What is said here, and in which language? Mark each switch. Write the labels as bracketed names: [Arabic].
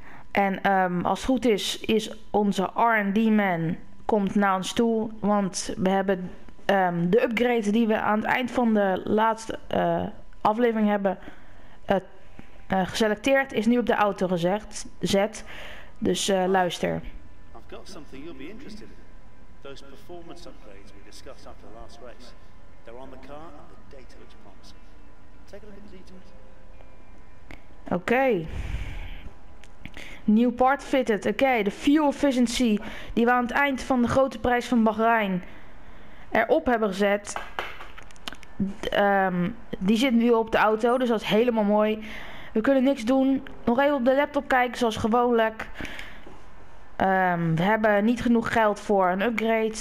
[Dutch] En als het goed is, is onze R&D man komt naar ons toe. Want we hebben de upgrade die we aan het eind van de laatste aflevering hebben geselecteerd. Is nu op de auto gezet. Dus luister. [English] I've got something you'll be interested in. Those performance upgrades we discussed after the last race. They're on the car and the data looks promising. Take a look at the details. Okay. Nieuw part fitted. [Dutch] Okay, de fuel efficiency die we aan het eind van de grote prijs van Bahrein erop hebben gezet. Die zit nu op de auto, dus dat is helemaal mooi. We kunnen niks doen. Nog even op de laptop kijken zoals gewoonlijk. We hebben niet genoeg geld voor een upgrade.